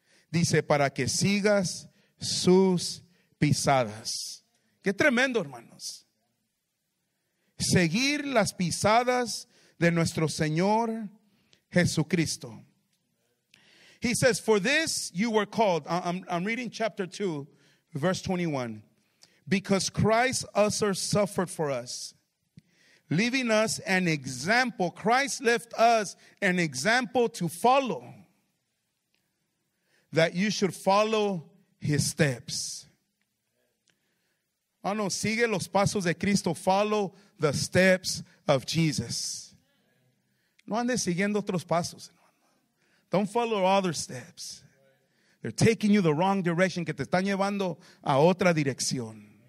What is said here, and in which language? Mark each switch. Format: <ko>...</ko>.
<es>Dice, para que sigas sus pisadas. Qué tremendo, hermanos. Seguir las pisadas de nuestro Señor Jesucristo.</es> <en>He says, for this you were called, I'm reading chapter 2, verse 21, because Christ also suffered for us, leaving us an example. Christ left us an example to follow, that you should follow his steps.</en> <es>Oh no, sigue los pasos de Cristo,</es> <en>follow the steps of Jesus.</en> <es>No andes siguiendo otros pasos.</es> <en>Don't follow other steps. They're taking you the wrong direction,</en> <es>que te están llevando a otra dirección.</es>